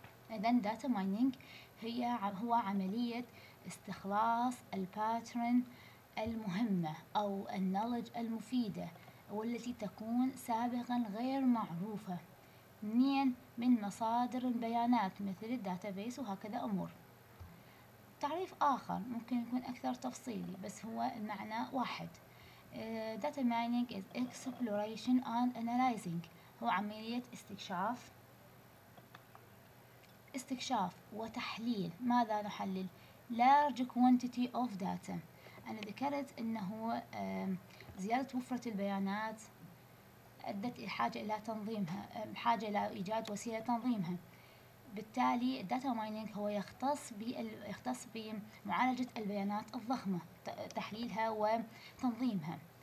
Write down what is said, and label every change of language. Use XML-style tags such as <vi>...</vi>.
<ar>إذن داتا ماينينج هو عملية استخلاص الباترن المهمة أو النولج المفيدة والتي تكون سابقا غير معروفة. منين؟ من مصادر البيانات مثل الداتابيس وهكذا أمور. تعريف آخر ممكن يكون أكثر تفصيلي بس هو المعنى واحد.</ar> <en>Data mining is exploration and analyzing،</en> <ar>هو عملية استكشاف وتحليل. ماذا نحلل؟</ar> <en>Large quantity of data.</en> <ar>أنا ذكرت أنه زيادة وفرة البيانات أدت إلى حاجة إلى تنظيمها، حاجة إلى إيجاد وسيلة تنظيمها. بالتالي Data mining هو يختص بمعالجة البيانات الضخمة، تحليلها وتنظيمها.</ar>